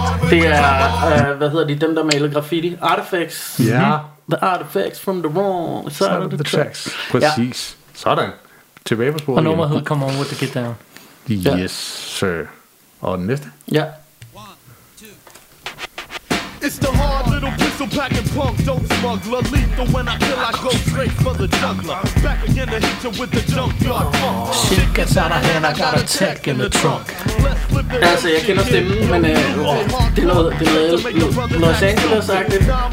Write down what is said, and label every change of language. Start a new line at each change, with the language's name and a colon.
Danish: Det er, hvad hedder de, dem der maler graffiti?
English: Artifacts.
Danish: Ja. Yeah.
English: The artifacts from the wrong side of the tracks.
Danish: Præcis. Ja. Sådan. Tilbage på sporet. Og nummer hedder Come On With The Get Down. Yes, yeah. Sir. Og den næste? Ja.
English: It's the hard little pistol packing punk, dope smuggler. Lethal when I kill, I go straight for the jugular. Back again to hit you with the junkyard punk. Shit gets out of hand, I got a tech in the trunk.
Danish: Altså, jeg kender stemmen, men det er noget Los Angeles-agtigt.